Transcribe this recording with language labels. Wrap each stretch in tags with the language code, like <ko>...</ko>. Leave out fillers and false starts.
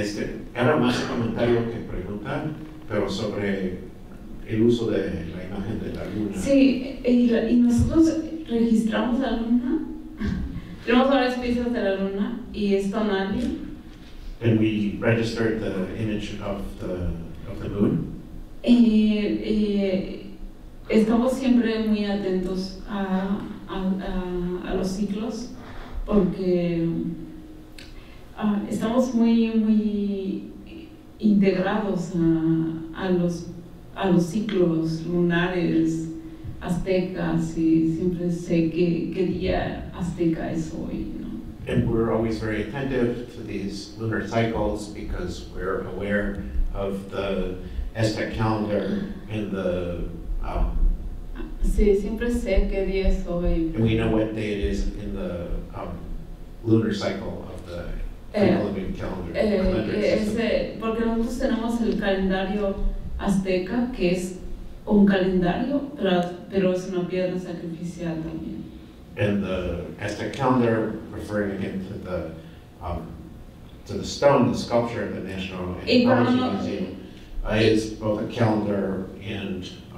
<es>Este, era más comentario que pregunta, pero sobre el uso de la imagen de la luna. Sí, y nosotros registramos la luna. Tenemos varias piezas de la luna y es tonal.</es> <en>And we registered the image of the moon.</en> <es>Estamos siempre muy atentos a los ciclos porque estamos muy integrados a los ciclos lunares aztecas y siempre sé qué día azteca es hoy, ¿no?</es> <en>And we're always very attentive to these lunar cycles because we're aware of the Aztec calendar and the</en> <es>sí, siempre sé qué día es hoy.</es> <en>And we know what day it is in the lunar cycle of the Colombian calendar.</en> <es>Porque nosotros tenemos el calendario azteca que es un calendario, pero es una piedra sacrificial también.</es> <en>And the Aztec calendar, referring again to the stone, the sculpture of the National Anthropology Museum, is both a calendar and</en>